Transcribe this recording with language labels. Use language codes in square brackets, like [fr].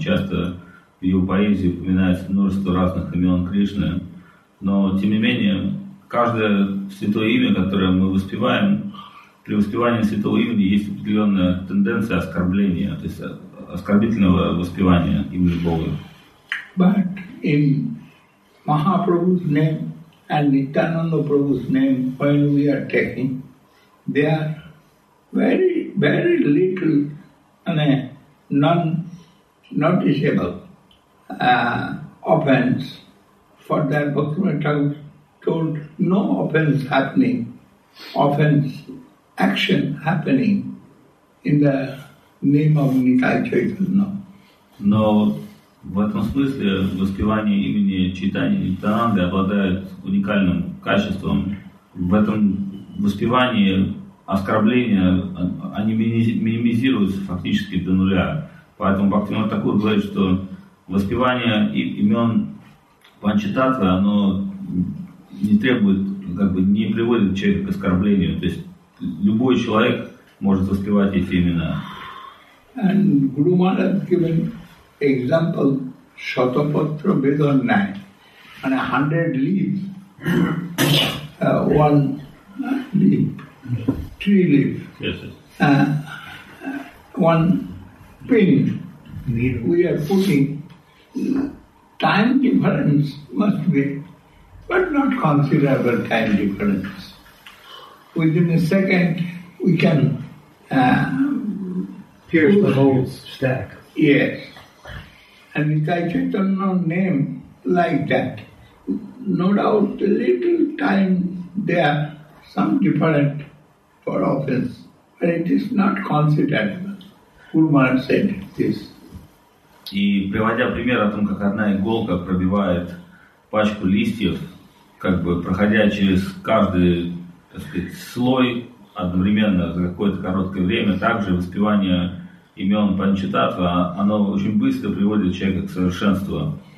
[ru] Часто в его поэзии упоминается множество разных имен Кришны. Но, тем не менее, каждое святое имя, которое мы воспеваем, при воспевании святого имени есть определенная тенденция оскорбления, то есть оскорбительного воспевания имени Бога. [en] But in Mahaprabhu's name and Nityananda Prabhu's name, when we are taking, they are very, very little and non-noticeable offense for that Bhaktivinoda told no offense happening, offense action happening in the name of Nitai Chaitanya. [ru] No, в этом смысле воспевание имени Чайтаньи Нитянанды обладает уникальным качеством. В этом воспевании оскорбления, они минимизируются фактически до нуля. Поэтому Бхактивинода Такур говорит, что воспевание имен Панчататвы, оно не требует, как бы не приводит человека к оскорблению. То есть любой человек может воспевать эти имена. [en] And Guru Maharaj given example Shatapatra Vedanai, and 100 leaves, one leaf, tree leaf, one pin we are putting, time difference must be, but not considerable time difference. Within a second, we can pierce the whole stack. Yes. And Nitai Chaitanya's name like that. No doubt, a little time there, some different for offense, but it is not considerable. Guru Maharaj said this. [ru] И приводя пример о том, как одна иголка пробивает пачку листьев, как бы проходя через каждый, так сказать, слой одновременно за какое-то короткое время, также воспевание имен Панчататва, оно очень быстро приводит человека к совершенству.